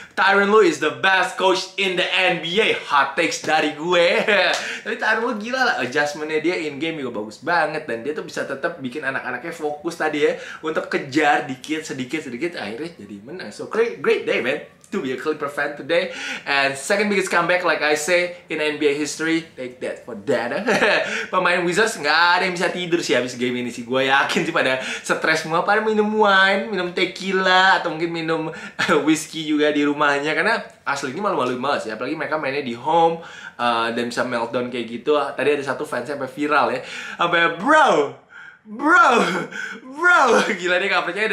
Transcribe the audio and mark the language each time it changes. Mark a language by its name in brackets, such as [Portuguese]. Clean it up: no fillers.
[English] Tyronn Lue is the best coach in the NBA. [Indonesian] Hot takes dari gue. Tapi Tyronn Lue gila lah, adjustment-nya dia [English] in-game [Indonesian] juga bagus banget. Dan dia tuh bisa tetap bikin anak-anaknya fokus tadi ya, untuk kejar dikit-sedikit-sedikit, akhirnya jadi menang. [English] So great day, man, to be a Clipper fan today. And second biggest comeback, like I say, in NBA history. Take that for data. [Indonesian] Pemain Wizards gak ada yang bisa tidur sih habis game ini sih. Gue yakin sih pada stres semua, pada minum wine, minum tequila, atau mungkin minum whiskey juga di rumahnya. Karena asli ini malu-malu banget sih, apalagi mereka mainnya di home dan bisa meltdown kayak gitu. Tadi ada satu fansnya sampai viral ya, sampai bro, gila dia gak percaya.